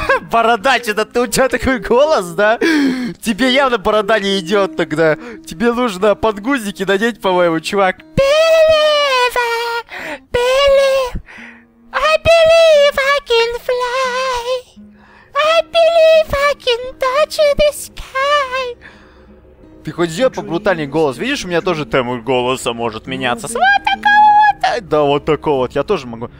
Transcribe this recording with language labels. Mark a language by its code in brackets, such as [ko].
[ru] Бородач, это ты, у тебя такой голос, да? Тебе явно борода не идет тогда. Тебе нужно подгузники надеть, по-моему, чувак. [en] Believe, believe, I believe I can fly. I believe I can touch the sky. [ru] Ты хоть сделай побрутальнее голос. Видишь, у меня тоже тембр голоса может меняться. Вот такого вот. Да, вот такого вот. Я тоже могу.